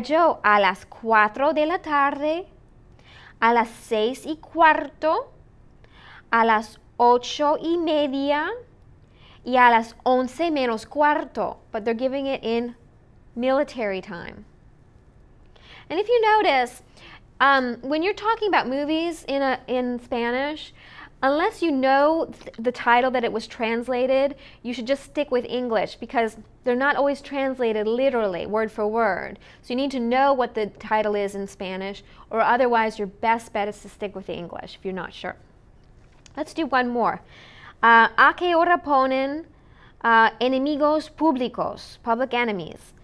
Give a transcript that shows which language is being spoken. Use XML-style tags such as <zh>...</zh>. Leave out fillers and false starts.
<es>Joe a las 4 de la tarde, a las 6:15, a las 8:30, y a las 11:45.</es> <en>But they're giving it in military time. And if you notice, When you're talking about movies in Spanish, unless you know the title that it was translated, you should just stick with English because they're not always translated literally, word for word. So you need to know what the title is in Spanish, or otherwise your best bet is to stick with the English if you're not sure. Let's do one more.</en> <es>¿A qué hora ponen enemigos públicos,</es> <en>public enemies?</en>